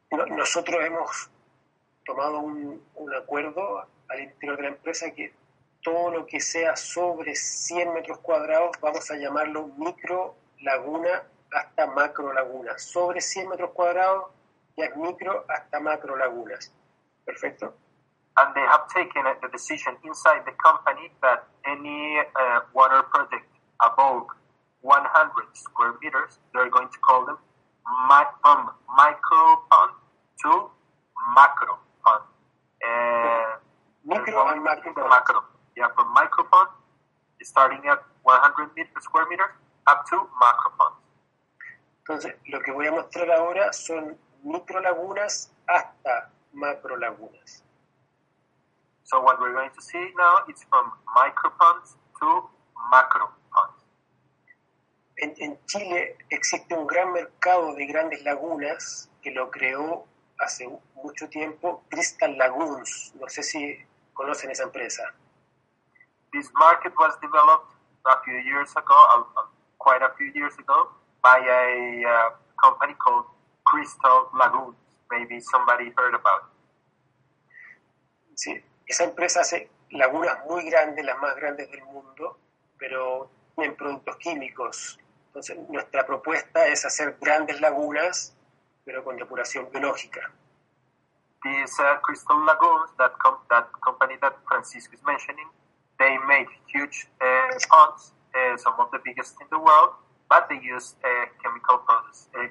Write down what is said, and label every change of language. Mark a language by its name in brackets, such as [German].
[Spanish] Nosotros hemos tomado un acuerdo al interior de la empresa que todo lo que sea sobre 100 metros cuadrados vamos a llamarlo micro laguna hasta macro laguna. Sobre 100 metros cuadrados ya es micro hasta macro lagunas. Perfecto. [English] And they have taken the decision inside the company that any water project above 100 square meters, they're going to call them from micro pond to macro pond. Micro and macro. The macro. Yeah, from micro pond, starting at 100 meters, square meters, up to macro pond. [Spanish] Entonces, lo que voy a mostrar ahora son micro lagunas hasta macro lagunas. [English] So what we're going to see now is from micro ponds to macro ponds. [Spanish] En Chile existe un gran mercado de grandes lagunas que lo creó hace mucho tiempo Crystal Lagoons. No sé si conocen esa empresa. [English] This market was developed a few years ago, quite a few years ago, by a company called Crystal Lagoons. Maybe somebody heard about it. [Spanish] Sí, esa empresa hace lagunas muy grandes, las más grandes del mundo, pero tienen productos químicos. Entonces, nuestra propuesta es hacer grandes lagunas, pero con depuración biológica. [English] This Crystal Lagoons, that company that Francisco is mentioning, they made huge ponds, some of the biggest in the world, but they use chemical products.